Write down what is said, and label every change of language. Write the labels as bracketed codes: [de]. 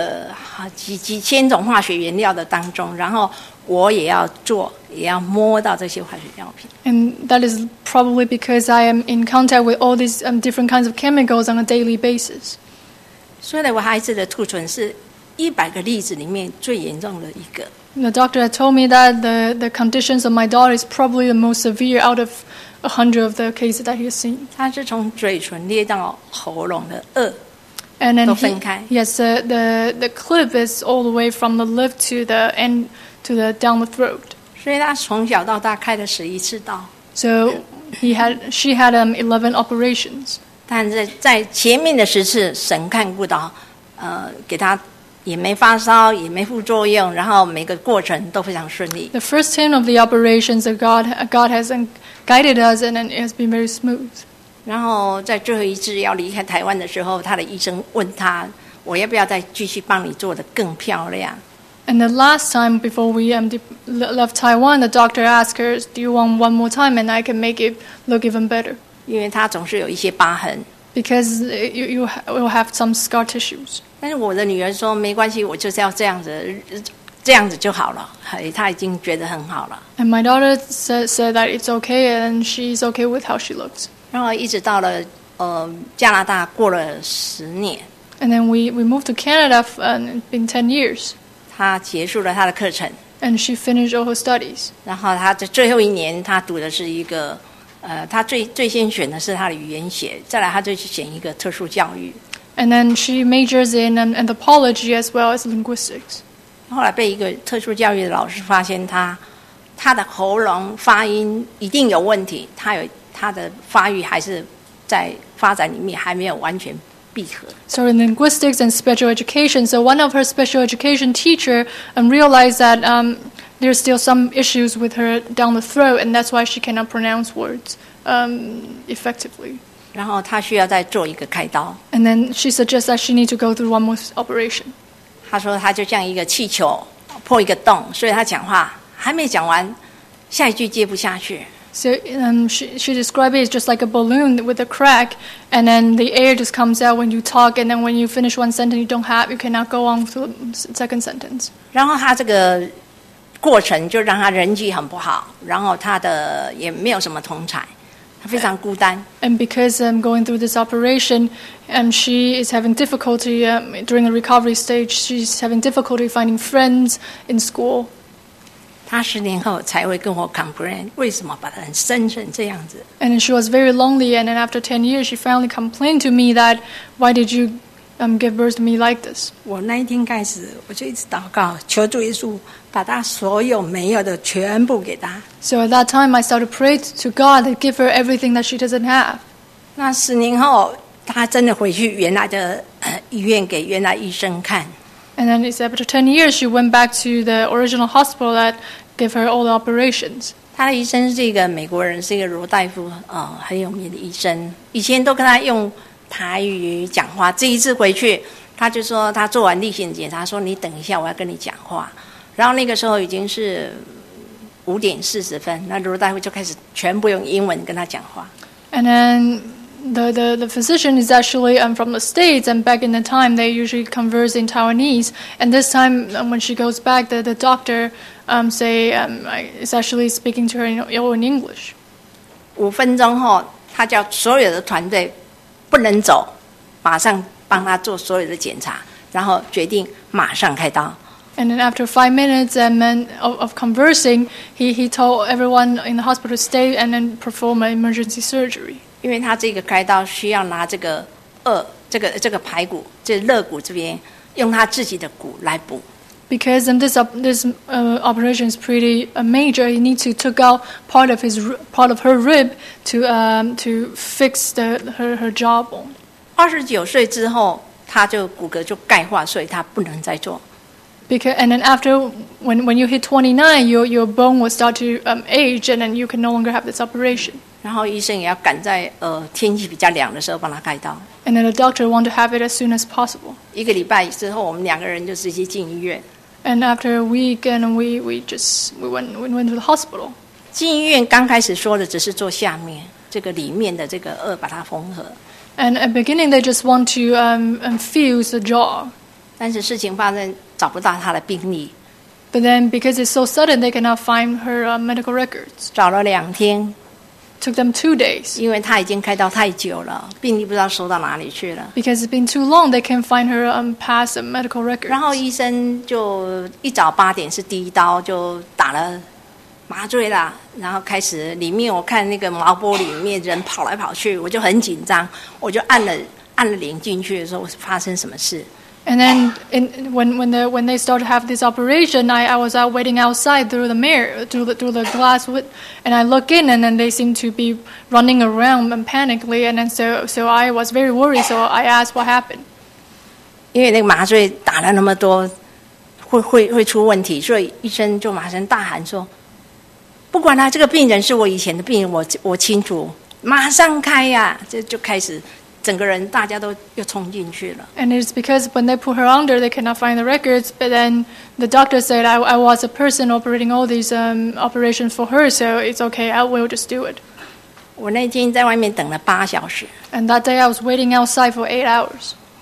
[zh] 因为我整天暴露在一个几千种化学原料的当中， 然后我也要做，也要摸到这些化学药品。 [en] And that is probably because I am in contact with all these different kinds of chemicals on a daily basis. [zh] 所以我孩子的兔唇是100个例子里面最严重的一个。 [en] The doctor had told me that the conditions of my daughter is probably the most severe out of 100 of the cases that he has seen. [zh] 他是从嘴唇裂到喉咙的腭。 [en] And then the clip is all the way from the lip to the end, to the down the throat. [zh] 所以他从小到大开了11次刀。 [en] So she had 11 operations. [zh] 但在前面的10次神看顾到， 给他也没发烧， 也没副作用， 然后每个过程都非常顺利。 [en] The first 10 of the operations, God has guided us, and it has been very smooth. [zh] 然后在最后一次要离开台湾的时候， 他的医生问他， 我要不要再继续帮你做得更漂亮。 [en] And the last time before we left Taiwan, the doctor asked her, do you want one more time and I can make it look even better? [zh] 因为他总是有一些疤痕。 [en] Because you will have some scar tissues. [zh] 但是我的女儿说， 没关系， 我就是要这样子， 这样子就好了， 她已经觉得很好了。 [en] And my daughter said that it's okay, and she's okay with how she looks. [zh] 然后一直到了， 加拿大过了10年。 [en] And then we moved to Canada for, been 10 years. [zh] 她结束了她的课程。 [en] And she finished all her studies. [zh] 然后她的最后一年， 她读的是一个， 她最先选的是她的语言学， 再来她就选一个特殊教育。 [en] And then she majors in anthropology as well as linguistics. [zh] 后来被一个特殊教育的老师发现， 她的喉咙发音一定有问题， 她的发育还是在发展里面还没有完全闭合。 [en] So in linguistics and special education, so one of her special education teacher realized that there's still some issues with her down the throat, and that's why she cannot pronounce words effectively. [zh] 然后她需要再做一个开刀。 [en] And then she suggests that she needs to go through one more operation. [zh] 她说她就像一个气球，破一个洞，所以他讲话还没讲完，下一句接不下去。 [en] So she described it just like a balloon with a crack, and then the air just comes out when you talk, and then when you finish one sentence, you cannot go on to the second sentence. [zh] 然后他这个过程就让他人际很不好，然后他的也没有什么同侪，他非常孤单。 [en] And because I'm going through this operation, she is having difficulty during the recovery stage. She's having difficulty finding friends in school. [zh] 他十年后才会跟我 complain， 为什么把他生成这样子 [en] ？And she was very lonely. And then after 10 years, she finally complained to me that why did you give birth to me like this？ [zh] 我那一天开始，我就一直祷告，求主耶稣把他所有没有的全部给他。 [en] So at that time, I started praying to God to give her everything that she doesn't have. [zh] 那十年后，他真的回去原来的医院给原来医生看。 [en] And then it's after 10 years, she went back to the original hospital that gave her all the operations. [zh] 她的医生是一个美国人，是一个罗大夫，很有名的医生。以前都跟她用台语讲话，这一次回去，她就说她做完例行检查，说你等一下，我要跟你讲话。然后那个时候已经是5:40，那罗大夫就开始全部用英文跟她讲话。 [en] And then... The physician is actually from the States, and back in the time they usually converse in Taiwanese. And this time, when she goes back, the doctor is actually speaking to her in English. [zh] 5分钟后，他叫所有的团队不能走，马上帮他做所有的检查，然后决定马上开刀。 [en] And then after 5 minutes of conversing, he told everyone in the hospital to stay and then perform an emergency surgery. [zh] 因为他这个开刀需要拿这个这个排骨，这肋骨这边用他自己的骨来补。 [en] Because this operation is pretty major, he needs to took out part of her rib to fix her jawbone. [zh] 29岁之后，他就骨骼就钙化，所以他不能再做。 [en] Because and then after when you hit 29, your bone will start to age, and then you can no longer have this operation. [zh] 然后医生也要赶在天气比较凉的时候帮他开刀。 [en] And then the doctor wanted to have it as soon as possible. [zh] 一个礼拜之后，我们两个人就直接进医院。 [en] And after a week, and we went to the hospital. [zh] 进医院刚开始说的只是做下面这个里面的这个腭把它缝合。 [en] And at the beginning, they just want to fuse the jaw. [zh] 但是事情发生，找不到他的病历。 [en] But then because it's so sudden, they cannot find her medical records. [zh] 找了两天。 [en] Took them 2 days. [zh] 因为他已经开刀太久了，病历不知道收到哪里去了。 [en] Because it's been too long, they can't find her past medical records. [zh] 然后医生就一早8点是第一刀，就打了麻醉了，然后开始里面我看那个毛玻璃里面人跑来跑去，我就很紧张，我就按了铃进去的时候，发生什么事？ [en] And then when they start to have this operation, I was out waiting outside through the mirror, through the glass, and I look in, and then they seem to be running around and panically, and then so I was very worried, so I asked what happened. [zh] 因为那个麻醉打了那么多，会出问题，所以医生就马上大喊说，不管了，这个病人是我以前的病人，我清楚，马上开呀，就开始。整个人大家都又冲进去了。 [en] And it's because when they put her under, they cannot find the records. But then the doctor said, I was a person operating all these operations for her, so it's okay. I will just do it. [zh] 我那天在外面等了8小时。 [en] And that day I was waiting outside for 8 hours.